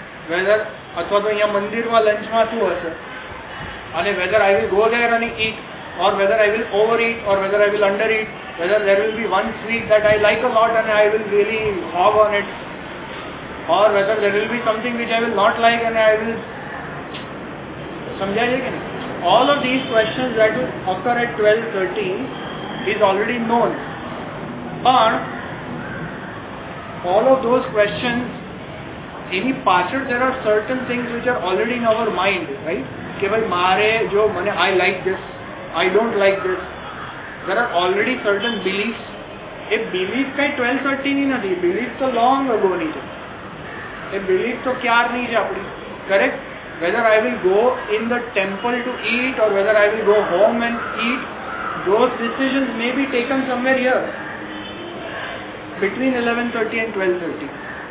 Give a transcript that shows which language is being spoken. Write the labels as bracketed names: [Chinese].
[English] Whether અથવા તો અહીંયા મંદિરમાં લંચમાં શું હશે? અને whether I will go there અને eat, or whether I will overeat, or whether I will undereat, whether there will be one sweet that I like a lot અને I will really hog on it, or whether there will be something which I will not like અને I will, સમજાય છે કે નહીં? All of these questions that will occur at 12:30 is already known. પણ all of those questions, એની પાછળ there are certain things which are already in our mind, right? કે ભાઈ મારે જો મને I like this, I don't like this, there are already certain belief. [Gujarati] A belief કંઈ 12:30ની નથી, belief તો લોંગ અગોની છે. [English] એ બિલીફ તો ક્યારની છે આપણી, correct? Whether I will go in the temple to eat or whether I will go home and eat, those decisions may be taken somewhere here between 11:30 and 12:30.